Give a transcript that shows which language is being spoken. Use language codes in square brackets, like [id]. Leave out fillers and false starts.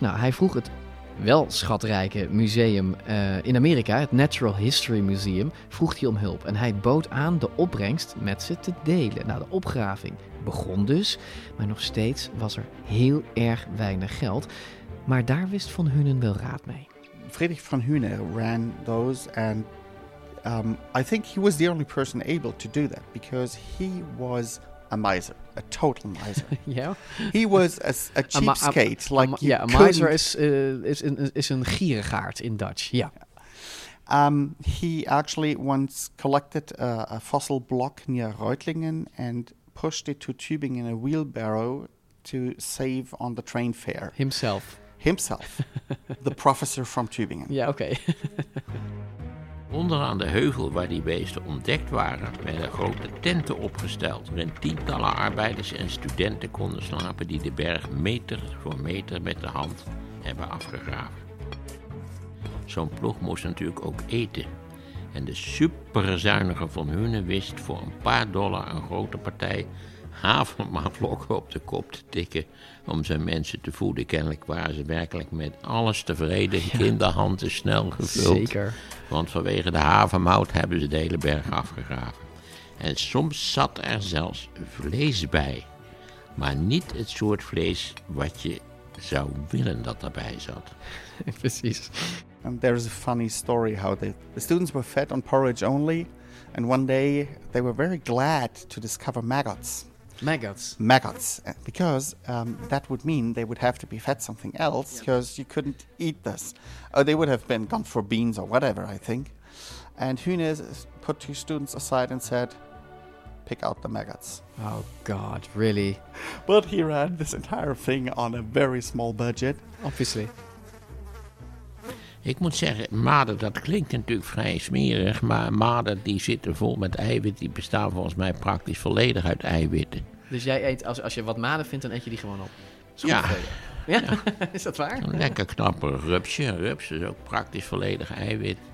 [nl] Nou, hij vroeg het wel schatrijke museum in Amerika, het Natural History Museum, vroeg hij om hulp. En hij bood aan de opbrengst met ze te delen. Nou, de opgraving begon dus, maar nog steeds was er heel erg weinig geld. Maar daar wist von Hünen wel raad mee. [en] Friedrich von Hünen ran those and I think he was the only person able to do that because he was a miser, a total miser. Yeah. He was a cheapskate. A miser is [nl] een gierigaard [en] in Dutch. Yeah. He actually once collected a fossil block near Reutlingen and pushed it to Tübingen in a wheelbarrow to save on the train fare. Himself. The professor from Tübingen. Yeah, okay. [nl] Onderaan de heuvel waar die beesten ontdekt waren, werden grote tenten opgesteld waarin tientallen arbeiders en studenten konden slapen die de berg meter voor meter met de hand hebben afgegraven. Zo'n ploeg moest natuurlijk ook eten. En de superzuinige von Hünen wist voor een paar dollar een grote partij havermaatlokken op de kop te tikken om zijn mensen te voeden. Kennelijk waren ze werkelijk met alles tevreden. Ja. Kinderhanden snel gevuld. Zeker. Want vanwege de havermout hebben ze de hele berg afgegraven. En soms zat er zelfs vlees bij. Maar niet het soort vlees wat je zou willen dat erbij zat. Precies. [en] And there is a funny story how the students were fed on porridge only. And one day they were very glad to discover maggots. Maggots. Because that would mean they would have to be fed something else because you couldn't eat this. Oh, they would have been gone for beans or whatever, I think. And Hünes put two students aside and said, pick out the maggots. Oh, God, really? But he ran this entire thing on a very small budget. Obviously. [nl] Ik moet zeggen, maden, dat klinkt natuurlijk vrij smerig, maar maden die zitten vol met eiwitten, die bestaan volgens mij praktisch volledig uit eiwitten. Dus jij eet, als je wat maden vindt, dan eet je die gewoon op? Ja. Ja. Is dat waar? Een lekker knapper rupsje. Een rups is ook praktisch volledig eiwit.